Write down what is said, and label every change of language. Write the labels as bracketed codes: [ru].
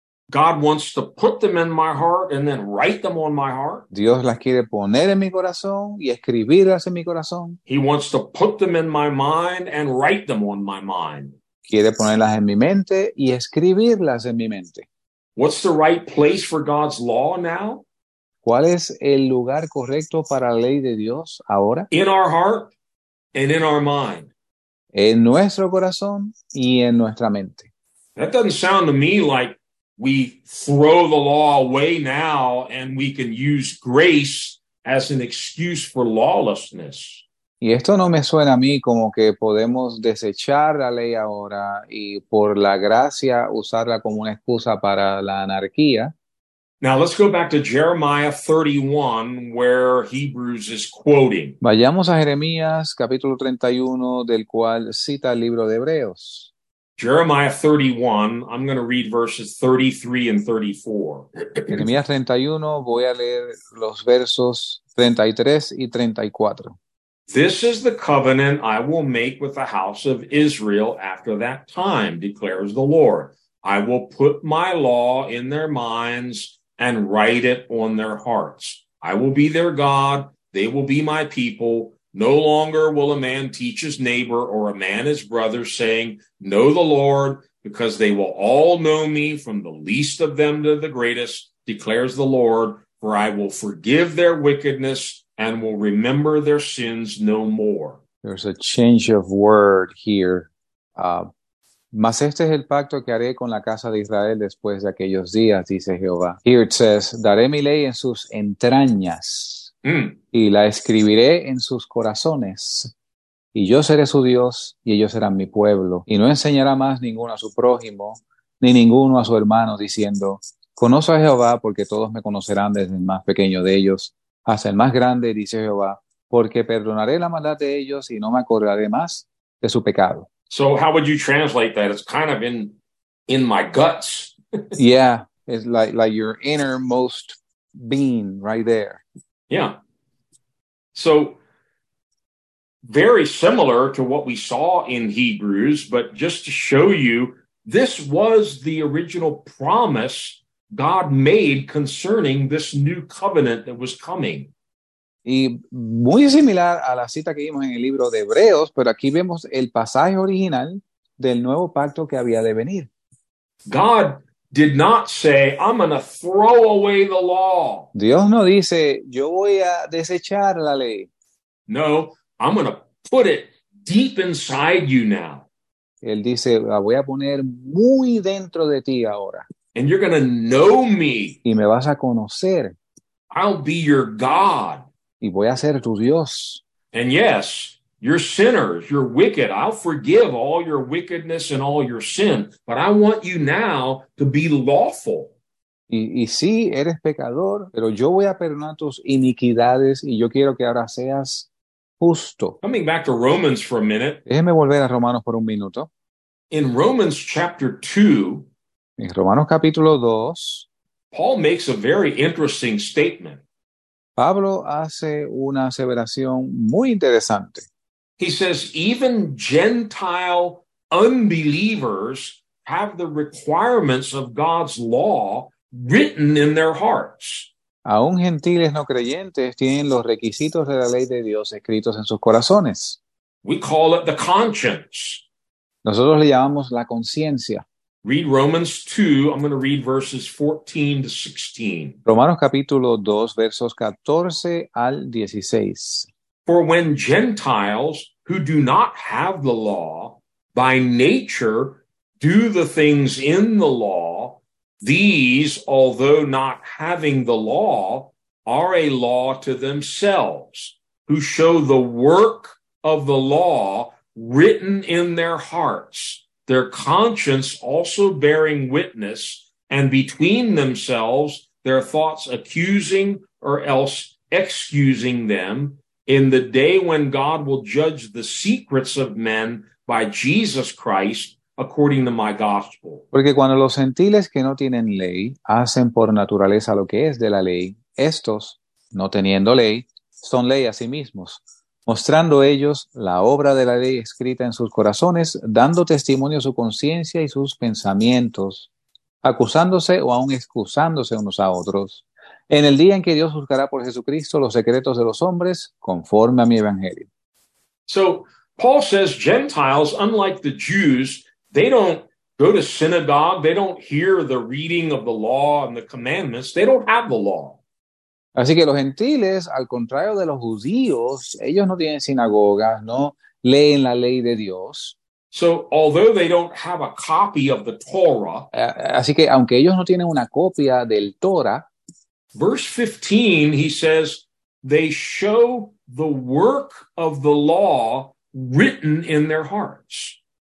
[en] God wants to put them in my heart and then write them on my heart. [es] Dios las quiere poner en mi corazón y escribirlas en mi corazón. [en] He wants to put them in my mind and write them on my mind. [es] Quiere ponerlas en mi mente y escribirlas en mi mente. [en] What's the right place for God's law now? [es] ¿Cuál es el lugar correcto para la ley de Dios ahora? [en] In our heart and in our mind. [es] En nuestro corazón y en nuestra mente. [en] That doesn't sound to me like we throw the law away now and we can use grace as an excuse for lawlessness. [es] Y esto no me suena a mí como que podemos desechar la ley ahora y por la gracia usarla como una excusa para la anarquía. [en] Now let's go back to Jeremiah 31, where Hebrews is quoting. [es] Vayamos a Jeremías, capítulo 31, del cual cita el libro de Hebreos. [en] Jeremiah 31, I'm going to read verses 33 and 34. [es] Jeremías 31, voy a leer los versos 33 y 34. [en] This is the covenant I will make with the house of Israel after that time, declares the Lord. I will put my law in their minds and write it on their hearts. I will be their God. They will be my people. No longer will a man teach his neighbor or a man his brother, saying, know the Lord, because they will all know me from the least of them to the greatest, declares the Lord, for I will forgive their wickedness and will remember their sins no more. There's a change of word here. [es] Mas este es el pacto que haré con la casa de Israel después de aquellos días, dice Jehová. [en] Here it says, [es] daré mi ley en sus entrañas y la escribiré en sus corazones. Y yo seré su Dios y ellos serán mi pueblo. Y no enseñará más ninguno a su prójimo ni ninguno a su hermano diciendo, conozco a Jehová porque todos me conocerán desde el más pequeño de ellos hasta el más grande, dice Jehová, porque perdonaré la maldad de ellos y no me acordaré más de su pecado. [en] So how would you translate that? It's kind of in my guts. Yeah, it's like your innermost being right there. Yeah. So very similar to what we saw in Hebrews, but just to show you, this was the original promise God made concerning this new covenant that was coming. [es] Y muy similar a la cita que vimos en el libro de Hebreos, pero aquí vemos el pasaje original del nuevo pacto que había de venir. [en] God did not say, I'm going to throw away the law. [es] Dios no dice, yo voy a desechar la ley. [en] No, I'm going to put it deep inside you now. [es] Él dice, la voy a poner muy dentro de ti ahora. [en] And you're going to know me. [es] Y me vas a conocer. [en] I'll be your God. [es] Y voy a ser tu Dios. [en] And yes, you're sinners, you're wicked. I'll forgive all your wickedness and all your sin, but I want you now to be lawful. [es] Y sí, eres pecador, pero yo voy a perdonar tus iniquidades y yo quiero que ahora seas justo. [en] Coming back to Romans for a minute. [es] Déjeme volver a Romanos por un minuto. [en] In Romans chapter 2, [es] en Romanos capítulo 2, [en] Paul makes a very interesting statement. [es] Pablo hace una aseveración muy interesante. [en] He says, even Gentile unbelievers have the requirements of God's law written in their hearts. [es] Aún gentiles no creyentes tienen los requisitos de la ley de Dios escritos en sus corazones. [en] We call it the conscience. [es] Nosotros le llamamos la conciencia. [en] Read Romans 2. I'm going to read verses 14 to 16. [es] Romanos capítulo 2, versos 14 al 16. [en] For when Gentiles who do not have the law by nature do the things in the law, these, although not having the law, are a law to themselves, who show the work of the law written in their hearts, their conscience also bearing witness, and between themselves their thoughts accusing or else excusing them, in the day when God will judge the secrets of men by Jesus Christ, according to my gospel. [es] Porque cuando los gentiles que no tienen ley hacen por naturaleza lo que es de la ley, estos, no teniendo ley, son ley a sí mismos, mostrando ellos la obra de la ley escrita en sus corazones, dando testimonio a su conciencia y sus pensamientos, acusándose o aun excusándose unos a otros, en el día en que Dios juzgará por Jesucristo los secretos de los hombres, conforme a mi evangelio. [en] So, Paul says Gentiles, unlike the Jews, they don't go to synagogue, they don't hear the reading of the law and the commandments, they don't have the law. [es] Así que los gentiles, al contrario de los judíos, ellos no tienen sinagogas, no leen la ley de Dios. [en] So, although they don't have a copy of the Torah, [es] así que aunque ellos no tienen una copia del Torah, [en] verse 15, he says, they show the work of the law written in their hearts.